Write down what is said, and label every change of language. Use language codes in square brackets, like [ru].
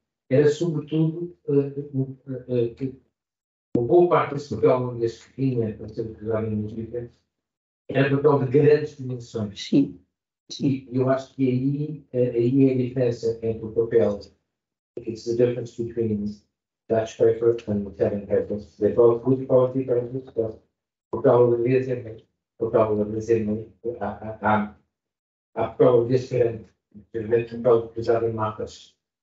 [pt] Era sobretudo que uma boa parte desse papel holandês que tinha para ser utilizado em música era papel de grandes dimensões. Sim. E eu acho que aí, aí é a diferença entre o papel. [en] It's the difference between Dutch paper and Italian paper. They both good quality papers, but [pt] papel holandês é mais. Papel holandês é muito. Há papel diferente. Diferente do papel utilizado em marcas.